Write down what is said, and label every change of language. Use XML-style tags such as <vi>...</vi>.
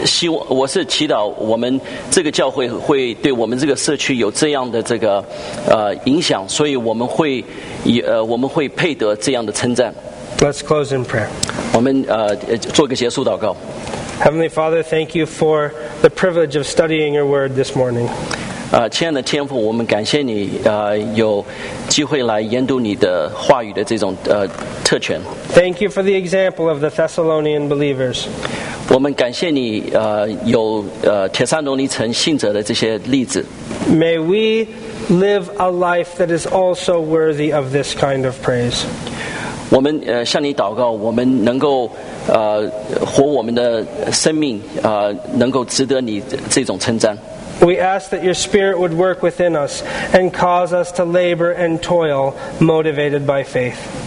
<zh>我是祈祷我们这个教会会对我们这个社区有这样的这个影响，所以我们会配得这样的称赞。</zh> <en>Let's close in prayer.</en> <zh>我们做个结束祷告。</zh> <en>Heavenly Father, thank you for the privilege of studying your word this morning.</en> <zh>亲爱的天父，我们感谢你有机会来研读你的话语的这种特权。</zh> <en>Thank you for the example of the Thessalonian believers.</en> <zh>我们感谢你有帖撒罗尼城信者的这些例子。</zh> <en>May we live a life that is also worthy of this kind of praise.</en> <zh>我们向你祷告，我们能够活我们的生命能够值得你这种称赞。</zh> <en>We ask that your spirit would work within us and cause us to labor and toil motivated by faith.</en>